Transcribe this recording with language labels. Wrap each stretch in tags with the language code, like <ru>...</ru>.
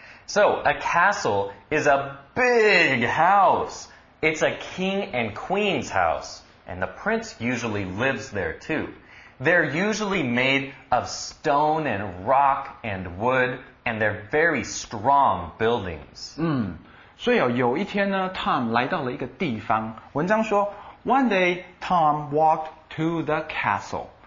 <en>So, a castle is a big house. It's a king and queen's house. And the prince usually lives there too. They're usually made of stone and rock and wood, and they're very strong buildings.</en> <zh>所以有一天呢 ,Tom 来到了一个地方。文章说</zh> <en>,One day, Tom walked to the castle.</en>